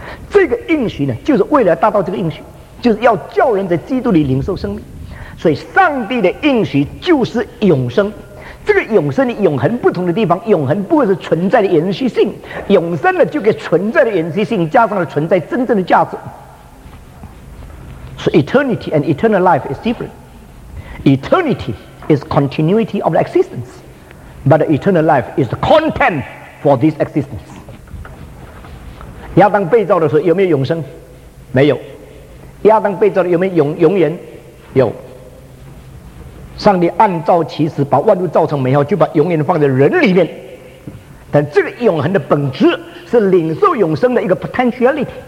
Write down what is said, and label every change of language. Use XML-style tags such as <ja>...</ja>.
<zh>这个应许呢就是为了达到这个应许，就是要叫人在基督里领受生命。所以上帝的应许就是永生。这个永生的永恒不同的地方，永恒不是存在的延续性，永生呢就给存在的延续性加上了存在真正的价值。</zh> <en>So eternity and eternal life is different. Eternity is continuity of the existenceBut the eternal life is the content for this existence.</en> <zh>亚当被造的时候有没有永生？没有。亚当被造的有没有永远？有。上帝按照其实把万物造成美好，就把永远放在人里面。但这个永恒的本质是领受永生的一个 potentiality。</zh>